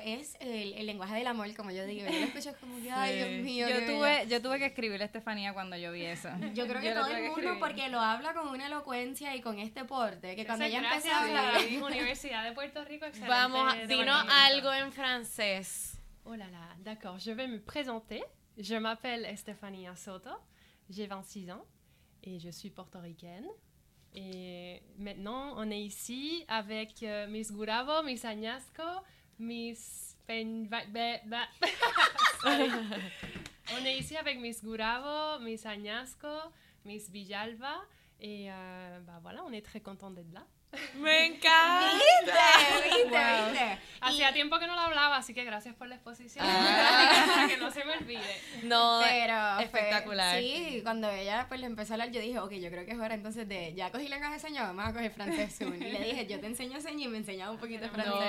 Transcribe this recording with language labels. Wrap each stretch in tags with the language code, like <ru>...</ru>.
<es>Es el lenguaje del amor, como yo digo. Yo lo escucho como que, ay, Dios mío. Yo tuve que escribirle a Estefanía cuando yo vi eso. Yo creo que todo uno porque lo habla con una elocuencia y con este porte que cuando ella empezó a hablar Universidad de Puerto Rico, excelente. Vamos, dinos algo en francés.</es> <fr>Hola, oh là, là, d'accord, je vais me présenter. Je m'appelle Estefania Soto. J'ai 26 ans et je suis portoricaine. Et maintenant, on est ici avec mis Gurabo, mis Añasco, mis On est ici avec mis Gurabo, mis Añasco, Miss Villalba, et voilà, on est très contente d'être là.</fr> <es>¡Me encanta! ¡Viste! ¡Viste! Wow. ¡Viste! Hacía tiempo que no lo hablaba, así que gracias por la exposición. Que no se me olvide. No, pero espectacular. Sí, cuando ella pues le empezó a hablar, yo dije, ok, yo creo que es hora entonces de, ya cogí lenguaje de señas, vamos a coger francés soon. Y le dije, yo te enseño señas y me enseñaba un poquito francés.</es>